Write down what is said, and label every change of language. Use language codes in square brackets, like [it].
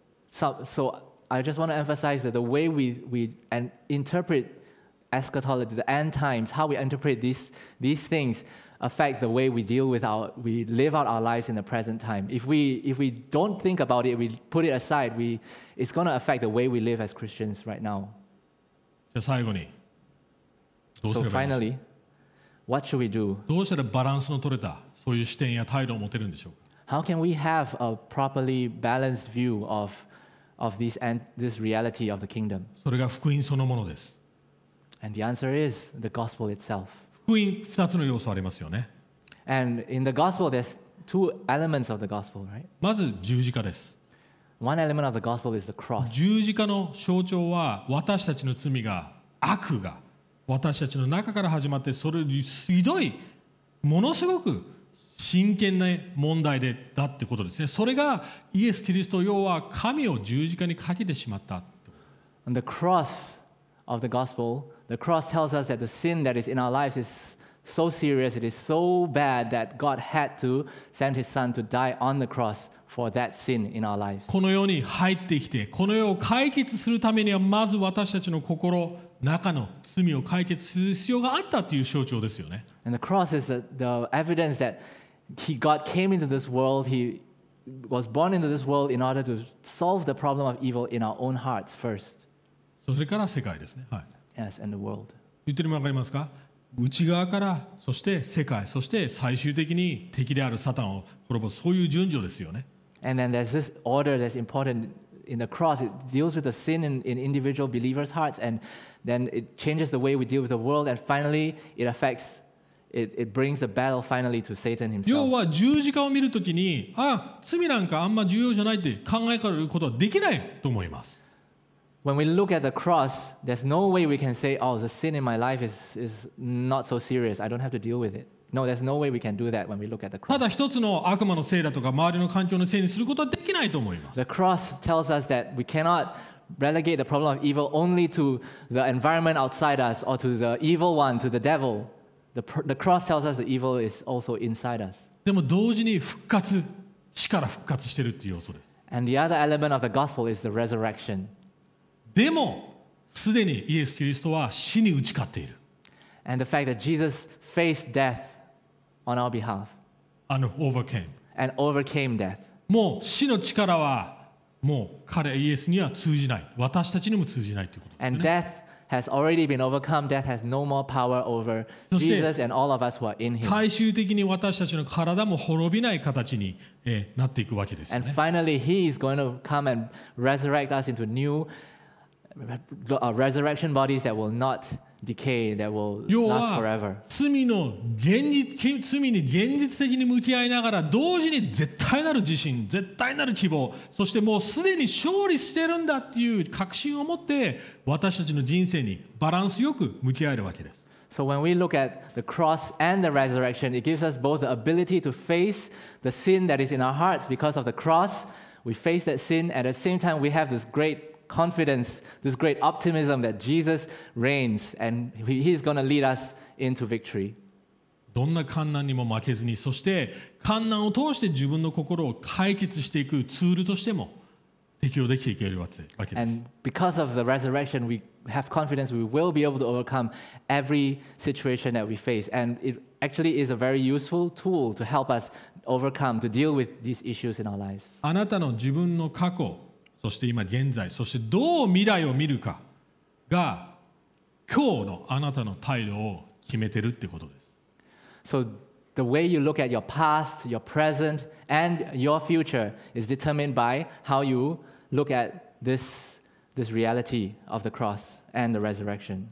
[en] So I just want to emphasize that the way we interpret eschatology, the end times, how we interpret these things affect the way we deal with we live out our lives in the present time. If we don't think about it, we put it aside, it's going to affect the way we live as Christians right now. [ja] じゃあ最後に、 [en] So finally,What should we do? [ja] どうしたらバランスの取れたそういう視点や態度を持てるんでしょうか? [en] How can we have a properly balanced view of this reality of the kingdom? [ja] それが福音そのものです。 [en] And the answer is the gospel itself. [ja] 福音2つの要素ありますよね。 [en] And in the gospel there's two elements of the gospel, right? [ja] まず十字架です。 [en] One element of the gospel is the cross. [ja] 十字架の象徴は私たちの罪が悪が私たちの中から始まってそれにひどいものすごく真剣な問題でだってことですね。それがイエス・キリスト要は神を十字架にかけてしまったと。 [en] And the cross of the gospel, the cross tells us that the sin that is in our lives is so serious, it is so bad that God had to send his son to die on the cross for that sin in our lives. [ja] この世に入ってきてこの世を解決するためにはまず私たちの心中の罪を解決する必要があったという象徴ですよね。 [en] And the cross is the evidence that God came into this world, He was born into this world in order to solve the problem of evil in our own hearts first. [ja] それから世界ですね。はい。 [en] Yes, and the world. [ja] 言ってるのも分かりますか?内側から、そして世界、そして最終的に敵であるサタンを滅ぼす、そういう順序ですよね。 [en] And then there's this order that's important. In the cross, it deals with the sin in individual believers' hearts, and then it changes the way we deal with the world, and finally, it brings the battle finally to Satan himself. [ja] 要は十字架を見るときに、あ、罪なんかあんま重要じゃないって考えられることはできないと思います。 [en] When we look at the cross, there's no way we can say, oh, the sin in my life is not so serious, I don't have to deal with it. No, there's no way we can do that when we look at the cross. [ja] ただ一つの悪魔のせいだとか周りの環境のせいにすることはできないと思います。 [en] The cross tells us that we cannot relegate the problem of evil only to the environment outside us or to the evil one, to the devil. The cross tells us the evil is also inside us. [ja] でも同時に復活、死から復活してるっていう要素です。 [en] And the other element of the gospel is the resurrection. [ja] でも、すでにイエス・キリストは死に打ち勝っている。 [en] And the fact that Jesus faced death on our behalf. And overcame. And overcame death. [ja] もう死の力はもう彼イエスには通じない。私たちにも通じないということですね。 [en] And death has already been overcome. Death has no more power over Jesus and all of us who are in him. [ja] 最終的に私たちの体も滅びない形になっていくわけですね。 [en] And finally, he is going to come and resurrect us into new resurrection bodies that will not decay, that will last forever. [ja] 罪の現実、罪に現実的に向き合いながら同時に絶対なる自信、絶対なる希望、そしてもうすでに勝利してるんだっていう確信を持って私たちの人生にバランスよく向き合えるわけです。 [en] So when we look at the cross and the resurrection, it gives us both the ability to face the sin that is in our hearts because of the cross. We face that sin, at the same time we have this greatconfidence, this great optimism that Jesus reigns and he's going to lead us into victory. [ja] どんな困難にも負けずに、そして困難を通して自分の心を解決していくツールとしても適用できていけるわけです。 [en] And because of the resurrection, we have confidence we will be able to overcome every situation that we face. And it actually is a very useful tool to help us overcome, to deal with these issues in our lives. [ja] あなたの自分の過去そして今現在、そしてどう未来を見るかが今日のあなたの態度を決めてるってことです。 [en] So the way you look at your past, your present, and your future is determined by how you look at this reality of the cross and the resurrection.